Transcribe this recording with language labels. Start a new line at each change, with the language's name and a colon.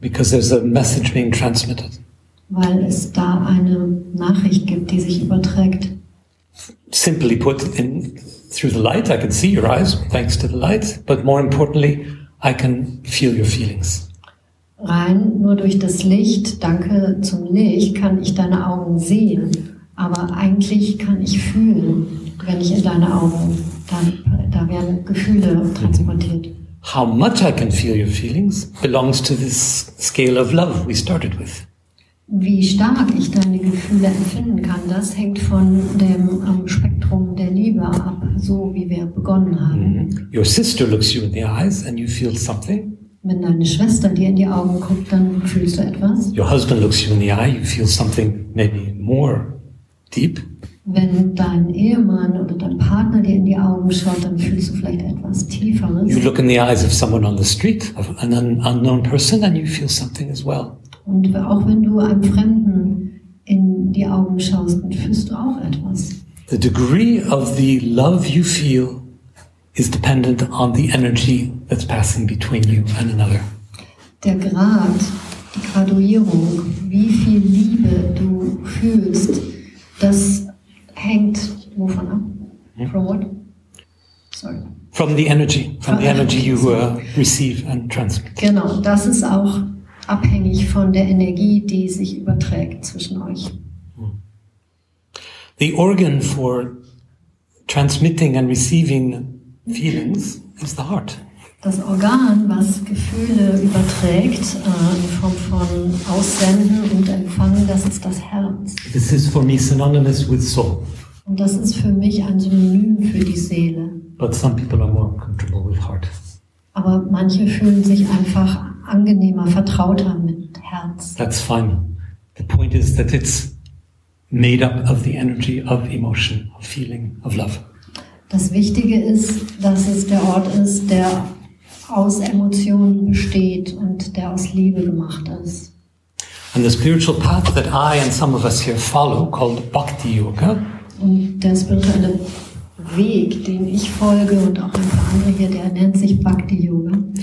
English: Because there's a message being transmitted.
German: Weil es da eine Nachricht gibt, die sich überträgt.
English: Simply put, in through the light, I can see your eyes, thanks to the light. But more importantly, I can feel your feelings.
German: Rein nur durch das Licht, danke zum Licht, kann ich deine Augen sehen. Aber eigentlich kann ich fühlen, wenn ich in deine Augen, da werden Gefühle transportiert.
English: How much I can feel your feelings belongs to this scale of love we started with.
German: Wie stark ich deine Gefühle empfinden kann, das hängt von dem Spektrum der Liebe ab, so wie wir begonnen haben.
English: Your sister looks you in the eyes and you feel something.
German: Wenn deine Schwester dir in die Augen guckt, dann fühlst du etwas.
English: Your husband looks you in the eye, you feel something maybe more deep.
German: Wenn dein Ehemann oder dein Partner dir in die Augen schaut, dann fühlst du vielleicht etwas Tieferes.
English: You look in the eyes of someone on the street, of an unknown person, and you feel something as well.
German: Und auch wenn du einem Fremden in die Augen schaust, dann fühlst du auch etwas.
English: The degree of the love you feel is dependent on the energy that's passing between you and another.
German: Der Grad, die Graduierung, wie viel Liebe du fühlst, das hängt wovon ab?
English: Yeah. From what? Sorry. From the energy, from the energy you receive and transmit.
German: Genau, das ist auch abhängig von der Energie, die sich überträgt zwischen euch.
English: The organ for transmitting and receiving feelings is the heart.
German: Das Organ, was Gefühle überträgt, in Form von Aussenden und Empfangen, das ist das Herz.
English: This is for me synonymous with soul.
German: Und das ist für mich ein Synonym für die Seele.
English: But some people are more comfortable with heart.
German: Aber manche fühlen sich einfach angenehmer, vertrauter mit Herz.
English: That's fine. The point is that it's made up of the energy of emotion, of feeling, of love.
German: Das Wichtige ist, dass es der Ort ist, der aus Emotionen besteht und der aus Liebe gemacht ist.
English: And the spiritual path that I and some of us here follow, called Bhakti Yoga.
German: Und der spirituelle Weg, den ich folge und auch ein paar andere hier, der nennt sich Bhakti Yoga.